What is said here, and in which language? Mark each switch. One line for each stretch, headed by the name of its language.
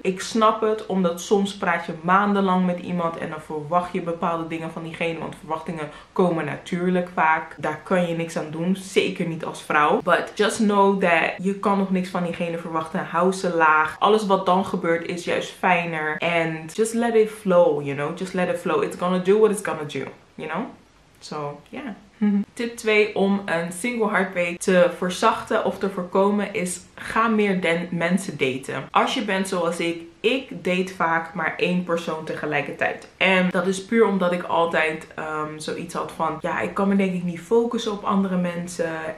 Dutch: Ik snap het, omdat soms praat je maandenlang met iemand en dan verwacht je bepaalde dingen van diegene, want verwachtingen komen natuurlijk vaak. Daar kan je niks aan doen. Zeker niet als vrouw.
English: But just know that
Dutch: je kan nog niks van diegene verwachten. Hou ze laag. Alles wat dan gebeurt is juist fijner.
English: And just let it flow, you know? Just let it flow. It's gonna do what it's gonna do, you know? So, yeah.
Dutch: Tip 2 om een single heartbreak te verzachten of te voorkomen is: ga meer mensen daten. Als je bent zoals ik. Ik date vaak maar één persoon tegelijkertijd. En dat is puur omdat ik altijd zoiets had van, ja, ik kan me denk ik niet focussen op andere mensen.